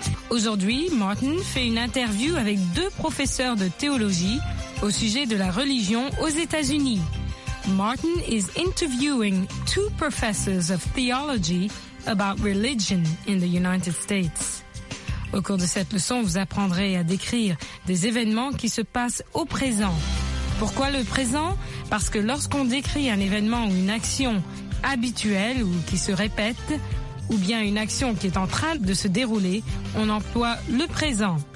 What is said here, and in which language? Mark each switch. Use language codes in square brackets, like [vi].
[fr] Aujourd'hui, Martin fait une interview avec deux professeurs de théologie au sujet de la religion aux États-Unis. [en] Martin is interviewing two professors of theology about religion in the United States. [fr] Au cours de cette leçon, vous apprendrez à décrire des événements qui se passent au présent. Pourquoi le présent? Parce que lorsqu'on décrit un événement ou une action habituelle ou qui se répète, ou bien une action qui est en train de se dérouler, on emploie le présent.